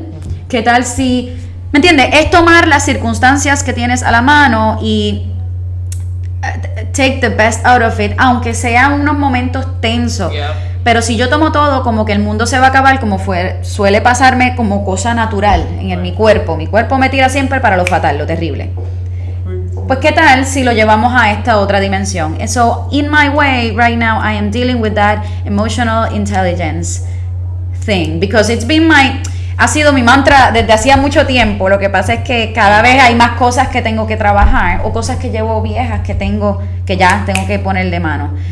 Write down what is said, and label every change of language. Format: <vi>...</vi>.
<es>Mm-hmm. ¿Qué tal si, me entiendes? Es tomar las circunstancias que tienes a la mano y</es> <en>take the best out of it,</en> <es>aunque sean unos momentos tensos. Yeah. Pero si yo tomo todo como que el mundo se va a acabar, como suele pasarme como cosa natural en mi cuerpo. Mi cuerpo me tira siempre para lo fatal, lo terrible. Pues qué tal si lo llevamos a esta otra dimensión.</es> <en>And so, in my way, right now, I am dealing with that emotional intelligence thing. Because it's been my...</en> <es>Ha sido mi mantra desde hacía mucho tiempo. Lo que pasa es que cada vez hay más cosas que tengo que trabajar o cosas que llevo viejas que ya tengo que ponerle mano.</es>